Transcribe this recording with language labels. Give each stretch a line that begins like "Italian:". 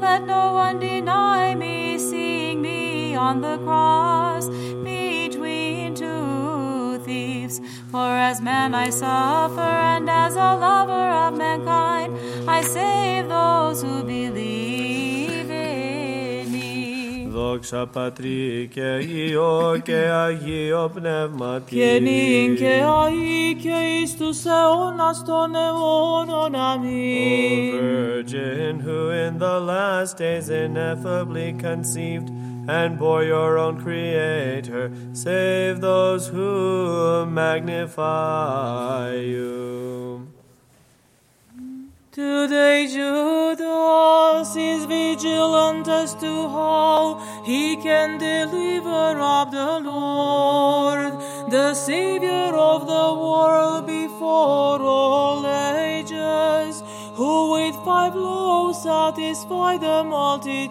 English: Let no one deny me, seeing me on the cross between two thieves. For as man I suffer, and as a lover of mankind, I save those who believe in me.
Greek: Δόξα Πατρί και Υιό και Αγίο Πνεύματι. Και νυν και Αγί και εις τους αιώνας των αιώνων. Αμήν.
English: O Virgin, who in the last days ineffably conceived and bore your own Creator, save those who magnify you. Today Judas is vigilant as to how he can deliver up the Lord, the Savior of the world before all ages, who with 5 loaves satisfied the multitude.